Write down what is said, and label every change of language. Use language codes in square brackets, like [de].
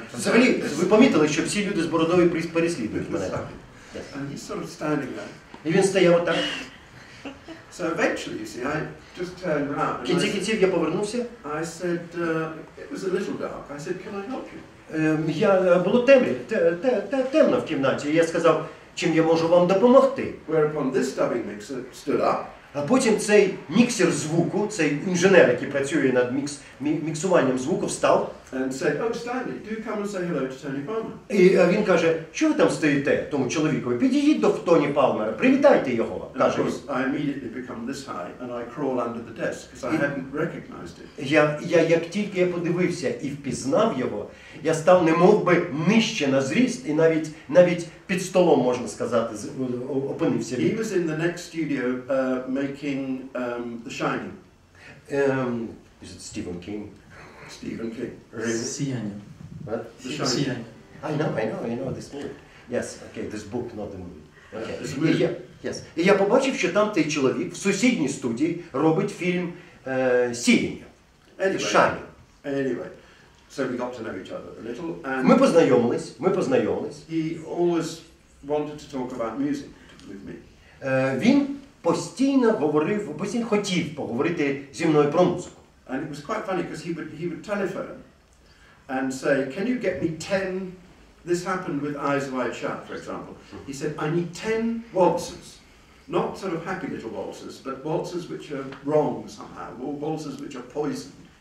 [uk] Взагалі, ви помітили, що всі люди з бородою переслідують мене. [en] And he's sort of standing there. [uk] І він стояв отак. [en] So eventually, you see, I just turned around. [uk] В кінці кінців я повернувся. [en] I said, it was a little dark. I said, can I help you? [uk] Було темно в кімнаті, і я сказав, чим я можу вам допомогти. [en] Whereupon this dubbing mixer stood up. [uk] А потім цей міксер звуку, цей інженер, який працює над міксуванням звуку, встав. [en] And say, oh, Stanley, do come and say hello to Tony Palmer. [uk] І він каже, що ви там стоїте, тому чоловікові? Підійдіть до Тоні Палмера, привітайте його, каже. [en] Of course, I immediately become this high and I crawl under the desk, because I hadn't recognized it. [uk] Я як тільки я подивився і впізнав його, я став немов би нижче на зріст і навіть під столом, можна сказати, опинився. [en] He was in the next studio making The Shining. Is it Stephen King? Stephen King. Really? Сияння. What? The Shining. I know this movie. Yes, okay, this book, not the movie. Okay. This movie. Yes. [uk] І я побачив, що там цей чоловік в сусідній студії робить фільм Сіяння. [en] Anyway. Shining. Anyway. So we got to know each other a little and [uk] ми познайомились. [en] He always wanted to talk about music with me. [uk] Він постійно говорив, постійно хотів поговорити зі мною про музику. [en] And it was quite funny because he would telephone and say, can you get me 10? This happened with Eyes Wide Shut, for example. He said, I need 10 waltzes. Not sort of happy little waltzes, but waltzes which are wrong somehow, or waltzes which are poisoned.